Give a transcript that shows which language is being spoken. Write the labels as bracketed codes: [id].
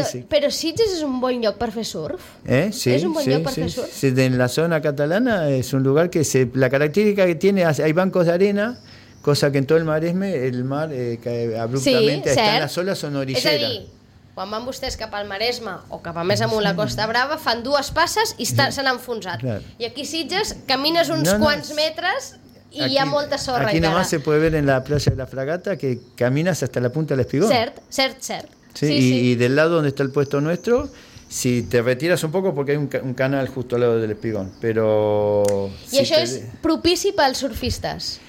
[ca] Però Sitges és un bon lloc per fer surf? [es] Sí, en la zona catalana és un lugar que la característica que tiene, hay bancos de arena, cosa que en todo el Maresme el mar cae abruptamente, sí, están las olas son orilleras. Es decir, [ca] quan van vostès cap al Maresme o cap a més amunt la Costa Brava, fan dues passes i s'han enfonsat. [es] Claro. [ca] I aquí Sitges camines uns quants metres i aquí, hi ha molta sorra. [es] Aquí nomás se puede ver en la playa de la Fragata que caminas hasta la punta del Espigón. [ca] Cert. [es] Sí, y del lado donde está el puesto nuestro... Si te retiras un poco porque hay un canal justo al lado del Espigón, pero... ¿Y eso es propicio para los surfistas?